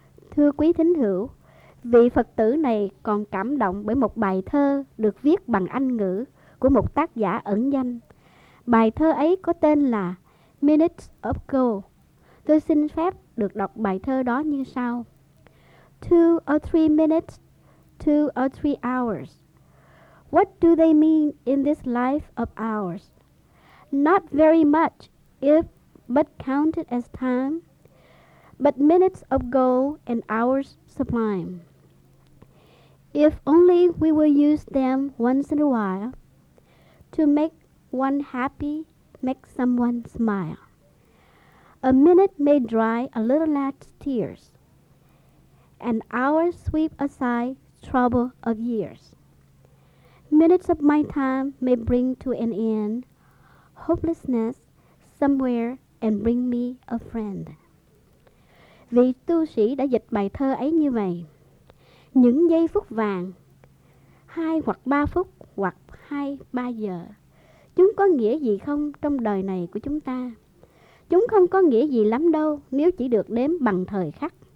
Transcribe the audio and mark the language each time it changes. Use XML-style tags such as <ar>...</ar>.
<vi>Thưa quý thính hữu, vị Phật tử này còn cảm động bởi một bài thơ được viết bằng Anh ngữ của một tác giả ẩn danh. Bài thơ ấy có tên là Minutes of Gold. Tôi xin phép được đọc bài thơ đó như sau.</vi> <en>2 or 3 minutes, 2 or 3 hours. What do they mean in this life of ours? Not very much, if but counted as time. But minutes of gold and hours sublime. If only we will use them once in a while to make one happy, make someone smile. A minute may dry a little lad's tears. An hour sweep aside trouble of years. Minutes of my time may bring to an end hopelessness somewhere and bring me a friend.</en> <vi>Vị tu sĩ đã dịch bài thơ ấy như vậy: những giây phút vàng, 2 hoặc 3 phút hoặc 2-3 giờ, chúng có nghĩa gì không trong đời này của chúng ta? chúng không có nghĩa gì lắm đâu nếu chỉ được đếm bằng thời khắc.</vi>